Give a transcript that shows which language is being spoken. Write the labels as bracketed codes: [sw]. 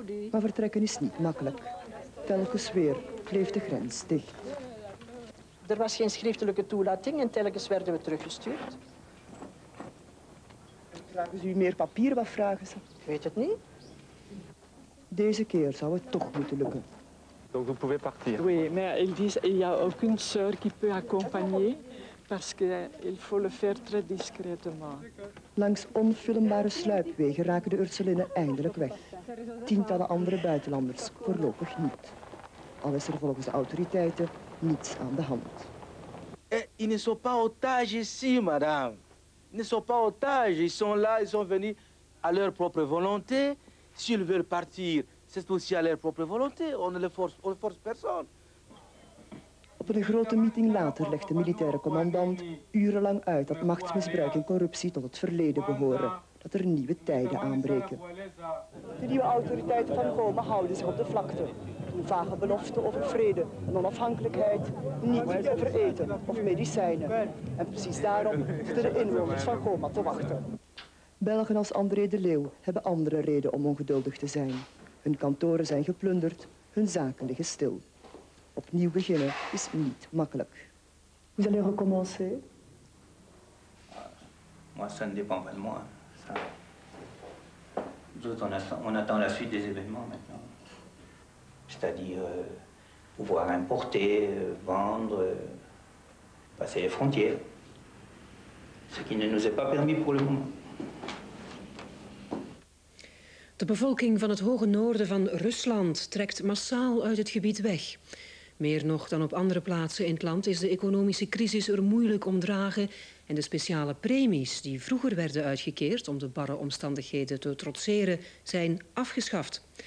[nl] Maar vertrekken is niet makkelijk. Telkens weer kleeft de grens dicht. Er was geen schriftelijke toelating en telkens werden we teruggestuurd. Vragen ze u meer papier? Wat vragen ze? Ik weet het niet. Deze keer zou het toch moeten lukken. [fr] Donc vous pouvez partir. Oui, mais il dit il y a aucune sœur qui peut accompagner parce que il faut le faire très discrètement. [nl] Langs onfilmbare sluipwegen raken de Ursulinnen eindelijk weg. Tientallen andere buitenlanders voorlopig niet. Al is er volgens de autoriteiten niets aan de hand. [fr] Ils ne sont pas otages ici, madame. Ils ne sont pas otages, ils sont là, ils sont venus à leur propre volonté. S'ils veulent partir, c'est aussi à leur propre volonté. On ne les force personne. [nl] Op een grote meeting later legt de militaire commandant urenlang uit dat machtsmisbruik en corruptie tot het verleden behoren. Dat er nieuwe tijden aanbreken. De nieuwe autoriteiten van Goma houden zich op de vlakte. Een vage belofte over vrede en onafhankelijkheid, niet over eten of medicijnen. En precies daarom zitten de inwoners van Goma te wachten. Belgen als André de Leeuw hebben andere reden om ongeduldig te zijn. Hun kantoren zijn geplunderd, hun zaken liggen stil. Opnieuw beginnen is niet makkelijk. [fr] Vous allez recommencer? Moi, ça ne dépend pas de moi. Ça. Nous, on attend la suite des événements maintenant. C'est-à-dire pouvoir importer, vendre, passer les frontières. Ce qui ne nous est pas permis pour le moment. [nl] De bevolking van het hoge noorden van Rusland trekt massaal uit het gebied weg. Meer nog dan op andere plaatsen in het land is de economische crisis er moeilijk om dragen en de speciale premies die vroeger werden uitgekeerd om de barre omstandigheden te trotseren zijn afgeschaft.